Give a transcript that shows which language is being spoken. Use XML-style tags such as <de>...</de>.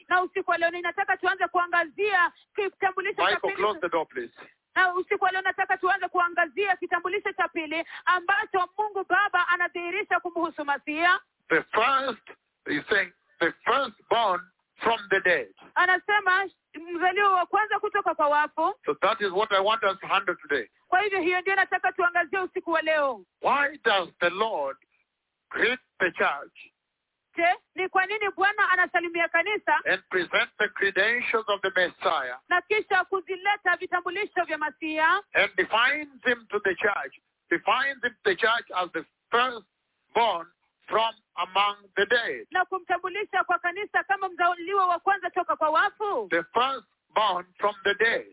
<sw>Na usiku wa leo ninataka tuanze kuangazia kitambulisho cha pili.</sw> <en>Michael, close the door please.</en> <sw>Na usiku leo nataka tuanze kuangazia kitambulisho cha pili ambacho Mungu Baba anadhihirisha kumhusu Masiha.</sw> <en>The first, he's saying, the firstborn from the dead.</en> <sw>Anasema mzaliwa wa kwanza kutoka kwa wafu.</sw> <en>So that is what I want us to handle today.</en> <sw>Kwa hivyo hiyo ndio nataka tuangazie usiku wa leo.</sw> <en>Why does the Lord greet the church?</en> <sw>Je, ni kwa nini Bwana anasalimia kanisa?</sw> <en>And present the credentials of the Messiah.</en> <sw>Na kisha kuzileta vitambulisho vya Masiha.</sw> <en>And defines him to the church. Defines him to the church as the firstborn from among the dead.</en> <sw>Na kumtambulisha kwa kanisa kama mzaliwa wa kwanza toka kwa wafu.</sw> <en>The firstborn from the dead.</en>